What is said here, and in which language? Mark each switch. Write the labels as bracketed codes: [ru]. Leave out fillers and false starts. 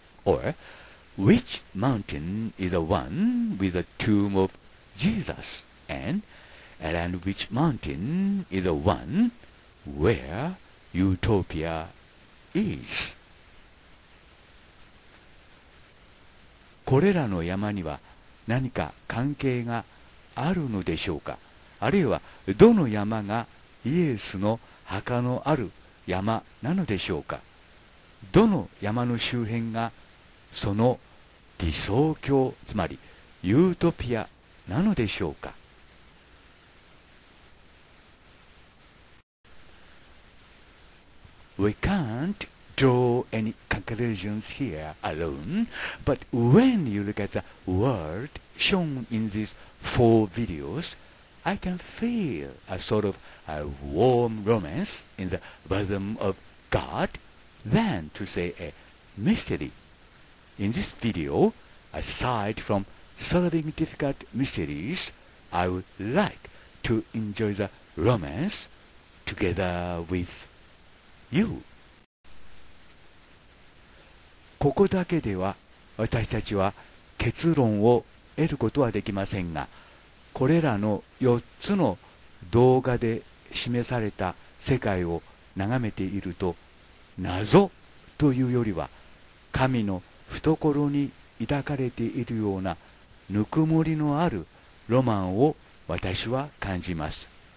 [en] Or which mountain is the one with the tomb of Jesus? And which mountain is the one where Utopia is? [ja] これらの山には何か関係があるのでしょうか。あるいはどの山がイエスの墓のある山なのでしょうか。どの山の周辺がその理想郷、つまりユートピアなのでしょうか。 [en] We can't draw any conclusions here alone, but when you look at the worldshown in these four videos, I can feel a sort of a warm romance in the bosom of God, than to say a mystery. In this video, aside from solving difficult mysteries, I would like to enjoy the romance together with you. [ja] ここだけでは私たちは結論を得ることはできませんが、これらの4つの動画で示された世界を眺めていると、謎というよりは神の懐に抱かれているようなぬくもりのあるロマンを私は感じます。